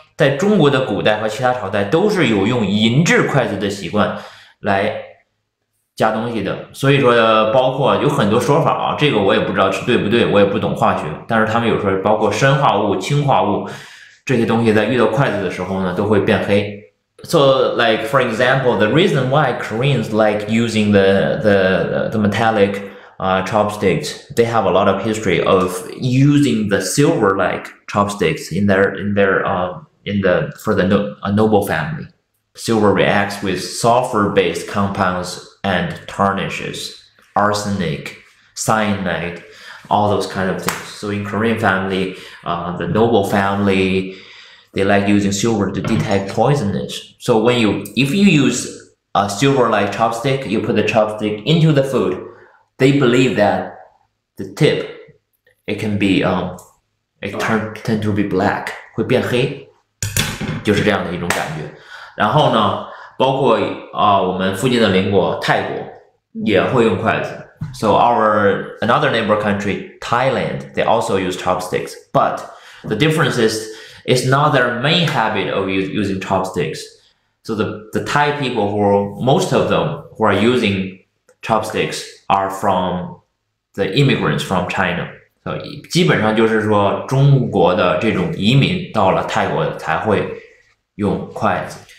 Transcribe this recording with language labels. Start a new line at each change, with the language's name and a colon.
Chinese: 在中国的古代和其他朝代都是有用银制筷子的习惯来夹东西的，所以说包括有很多说法啊，这个我也不知道是对不对，我也不懂化学，但是他们有时候包括砷化物、氢化物这些东西在遇到筷子的时候呢都会变黑。
English: So like for example, the reason why Koreans like using the metallic chopsticks, they have a lot of history of using the silver like chopsticks in the noble family. Silver reacts with sulfur based compounds and tarnishes, arsenic, cyanide, all those kind of things. So in Korean family, the noble family. They like using silver to detect poisonous. So if you use a silver-like chopstick, you put the chopstick into the food, they believe that the tip, it can be, tend to be black,
Chinese: 会变黑，就是这样的一种感觉。然后呢，包括我们附近的邻国泰国也会用筷子。
English: So another neighbor country, Thailand, they also use chopsticks. But the difference is,It's not their main habit of using chopsticks. So the Thai people who are using chopsticks are from the immigrants from China.
Chinese: So 基本上就是说中国的这种移民到了泰国才会用筷子。